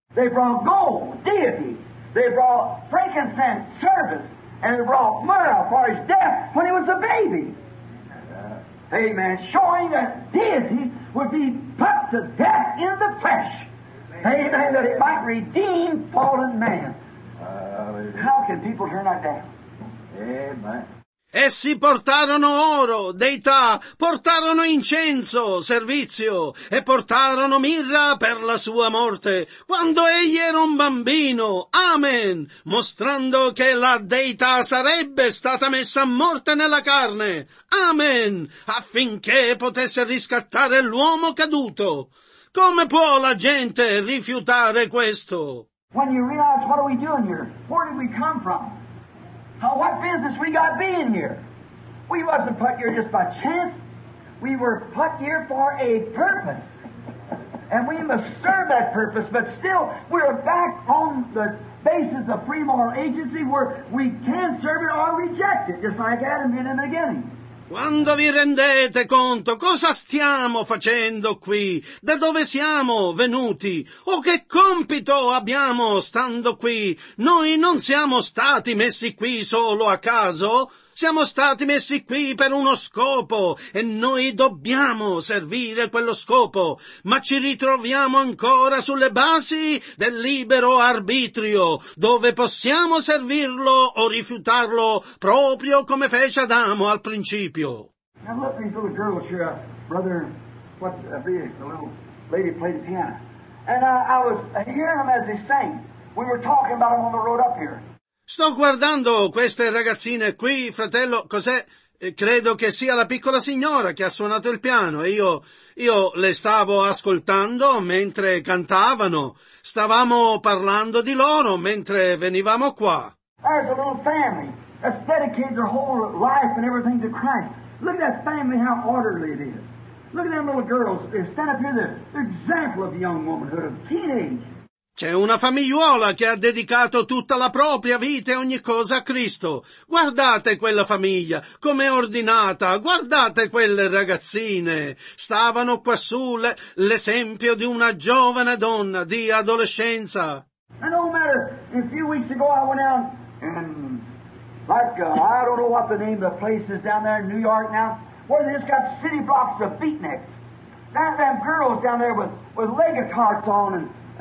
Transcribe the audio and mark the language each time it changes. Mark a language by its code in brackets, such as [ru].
[en] They brought gold, deity. They brought frankincense, service. And they brought myrrh for his death when he was a baby. Amen. Showing that deity would be put to death in the flesh. Amen, that it might redeem fallen man. How can people turn that down? Amen. [it] Essi portarono oro, deità, portarono incenso, servizio, e portarono mirra per la sua morte, quando egli era un bambino, amen, mostrando che la deità sarebbe stata messa a morte nella carne, amen, affinché potesse riscattare l'uomo caduto. Come può la gente rifiutare questo? [en] When you realize, what are we doing here? Where did we come from? How, what business we got being here? We wasn't put here just by chance. We were put here for a purpose. And we must serve that purpose, but still, we're back on the basis of free moral agency where we can serve it or reject it, just like Adam did in the beginning. [it] Quando vi rendete conto cosa stiamo facendo qui, da dove siamo venuti, o che compito abbiamo stando qui, noi non siamo stati messi qui solo a caso, siamo stati messi qui per uno scopo e noi dobbiamo servire quello scopo, ma ci ritroviamo ancora sulle basi del libero arbitrio, dove possiamo servirlo o rifiutarlo proprio come fece Adamo al principio. [en] Now look, these little girls here, brother what the little lady played the piano. And I was hearing them as they sang. We were talking about them on the road up here. [it] Sto guardando queste ragazzine qui, fratello, cos'è? Credo che sia la piccola signora che ha suonato il piano e io le stavo ascoltando mentre cantavano. Stavamo parlando di loro mentre venivamo qua. [en] There's a little family that's dedicated their whole life and everything to Christ. Look at that family, how orderly it is. Look at them little girls. They stand up here, the example of young womanhood, of teenage. [it] C'è una famigliuola che ha dedicato tutta la propria vita e ogni cosa a Cristo. Guardate quella famiglia, com'è ordinata, guardate quelle ragazzine. Stavano quassù l'esempio di una giovane donna di adolescenza. [en] And no matter, a few weeks ago I went out and I don't know what the name of the place is down there in New York now, where they just got city blocks of beatniks. Now them girls down there with leggings hearts on